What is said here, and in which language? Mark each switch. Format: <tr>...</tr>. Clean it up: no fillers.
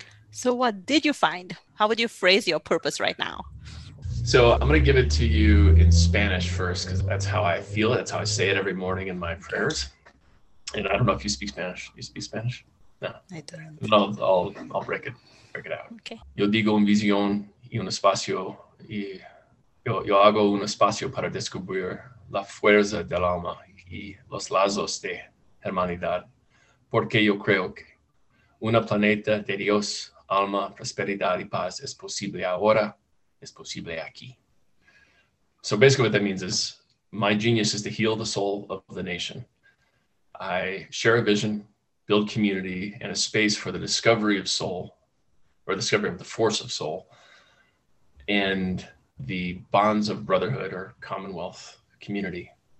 <en>So what did you find? How would you phrase your purpose right now? So I'm going to give it to you in Spanish first, because that's how I feel it. That's how I say it every morning in my prayers. And I don't know if you speak Spanish. Do you speak Spanish? No, I don't. I'll break it out. Okay.</en> <es>Yo digo un visión y un espacio y yo hago un espacio para descubrir la fuerza del alma y los lazos de hermanidad, porque yo creo que una planeta de Dios, alma, prosperidad y paz es posible ahora, es posible aquí.</es> <en>So basically what that means is my genius is to heal the soul of the nation. I share a vision, build community and a space for the discovery of soul, or discovery of the force of soul, and the bonds of brotherhood or commonwealth community.</en>